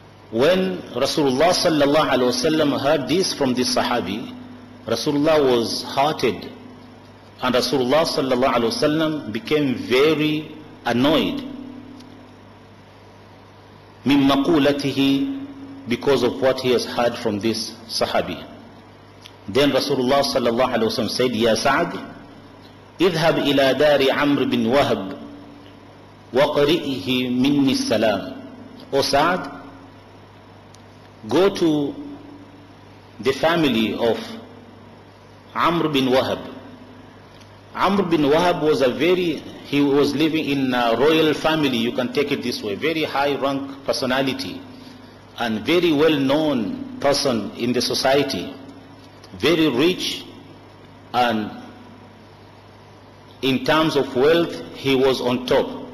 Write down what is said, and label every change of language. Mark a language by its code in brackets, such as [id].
[en] When Rasulullah sallallahu alayhi wa sallam heard this from the sahabi, Rasulullah was hearted and Rasulullah sallallahu alayhi wa sallam became very annoyed. [ar] مِن مَقُولَتِهِ, [en] because of what he has heard from this sahabi. Then Rasulullah sallallahu alayhi wa sallam said, Ya Sa'ad, [ar] اذهب إلى دار عمر بن وهب وقرئه مني السلام. [en] O Sa'ad, go to the family of Amr bin Wahab. Amr bin Wahab was living in a royal family, you can take it this way, very high rank personality and very well known person in the society, very rich, and in terms of wealth he was on top.